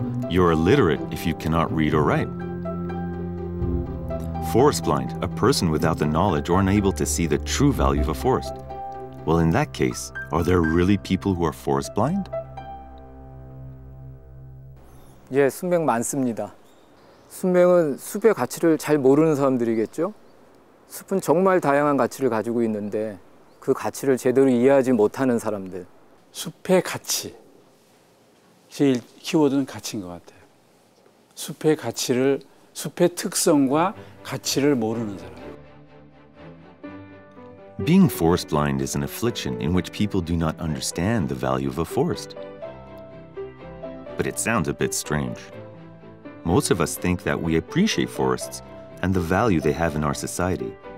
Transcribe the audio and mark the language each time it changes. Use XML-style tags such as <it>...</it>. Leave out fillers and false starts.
<en>You're illiterate if you cannot read or write. Forest blind, a person without the knowledge or unable to see the true value of a forest. Well, in that case, are there really people who are forest blind?</en> <ko>예, 순백 많습니다. 순백은 숲의 가치를 잘 모르는 사람들이겠죠? 숲은 정말 다양한 가치를 가지고 있는데 그 가치를 제대로 이해하지 못하는 사람들. 숲의 가치. 제일 키워드는 가치인 것 같아요. 숲의 가치를, 숲의 특성과 가치를 모르는 사람.</ko> <en>Being forest blind is an affliction in which people do not understand the value of a forest. But it sounds a bit strange. Most of us think that we appreciate forests and the value they have in our society.</en>